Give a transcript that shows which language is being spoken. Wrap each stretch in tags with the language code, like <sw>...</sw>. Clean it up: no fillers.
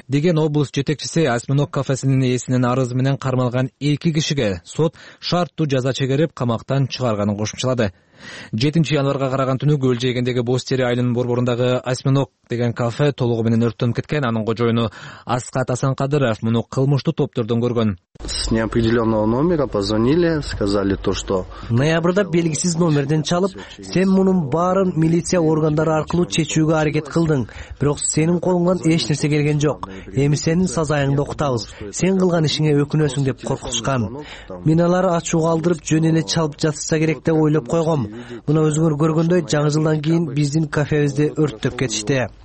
<ky>деген облус жетекчиси осьминог кафесинин ээсинин арызы менен кармалган эки кишиге сот шарттуу жаза чегерип камактан чыгарганын кошумчалады 7-январга караган түнү көл жээгиндеги боз тери айылынын борборундагы осьминог деген кафе толугу менен өрттөнүп кеткен анын кожоюну Аскат Асанкадыров муну кылмыштуу топтордон көргөн</ky> <ru>с неопределенного номера позвонили сказали то что</ru> <ky>ноябрда белгисиз номерден чалып сен мунун баарын милиция органдары аркылуу чечүүгө аракет кылдың бирок сенин колуңдан эч нерсе келген жок эми сенин сазайыңды окутабыз сен кылган ишиңе өкүнөсүң деп коркутушкан миналар ачууга алдырып жөн эле чалып жатышса керек деп ойлоп койгом мына өзүңөр көргөндөй жаңы жылдан кийин биздин кафебизди өрттөп кетишти</ky>